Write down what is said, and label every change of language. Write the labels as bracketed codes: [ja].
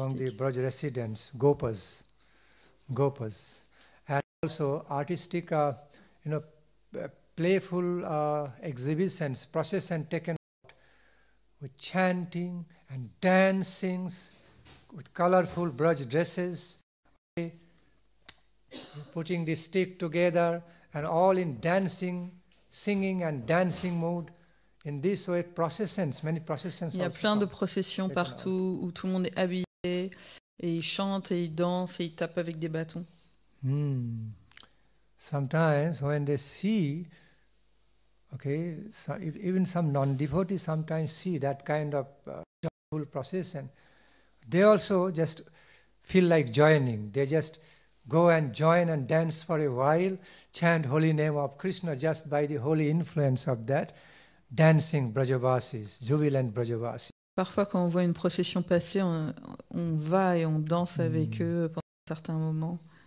[en] Among the Braj residents, gopas, and also artistic, playful exhibitions, processions and taken out with chanting and dancing, with colorful Braj dresses, putting the stick together and all in dancing, singing and dancing mood. In this way, processions, many processions. [fr] Il y a plein de processions partout où tout le monde est habillé et ils chantent et ils dansent et ils tapent avec des bâtons. [en] Sometimes when they see, even some non-devotees sometimes see that kind of joyful procession, they also just feel like joining. They just go and join and dance for a while, chant holy name of Krishna just by the holy influence of that. Dancing Brajavasis, jubilant Brajavasis. [fr] Parfois, quand on voit une procession passer, on va et on danse avec eux pendant un certain moment.